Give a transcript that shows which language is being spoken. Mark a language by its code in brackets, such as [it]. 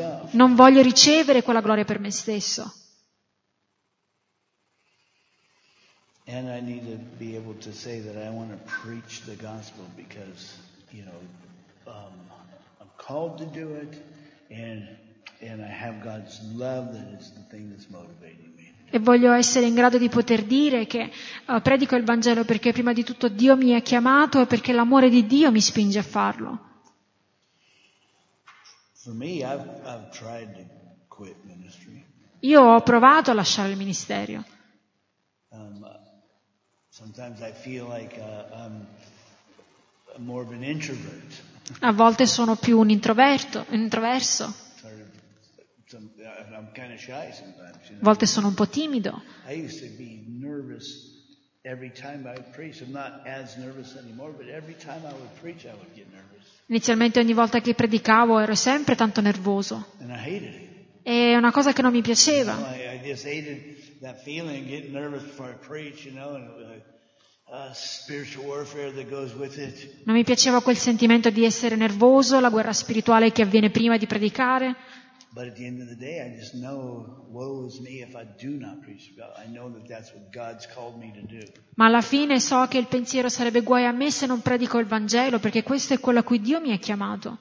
[it] Non voglio ricevere quella gloria per me stesso. [en] And I need to be able to say that I want to preach the gospel because, you know, I'm called to do it, and I have God's love that is the thing that's motivating me. [it] E voglio essere in grado di poter dire che predico il Vangelo perché prima di tutto Dio mi ha chiamato e perché l'amore di Dio mi spinge a farlo. [en] For me, I've tried to quit ministry. [it] Io ho provato a lasciare il ministerio. [en] Sometimes I feel like I'm more of an introvert. [it] A volte sono più un introverto, un introverso. [en] I'm kind of shy sometimes, you know? [it] A volte sono un po' timido. [en] I used to be nervous every time I preach. I'm not as nervous anymore, but every time I would preach, I would get nervous. [it] Inizialmente ogni volta che predicavo ero sempre tanto nervoso. [en] And I hated it. [it] È una cosa che non mi piaceva. [en] I just hated that feeling, getting nervous before I preach, you know, and spiritual warfare that goes with it. [it] Non mi piaceva quel sentimento di essere nervoso, la guerra spirituale che avviene prima di predicare. [en] But at the end of the day, I just know, woe is me if I do not preach the gospel. I know that that's what God's called me to do. [it] Ma alla fine so che il pensiero sarebbe guai a me se non predico il Vangelo, perché questo è quello a cui Dio mi ha chiamato.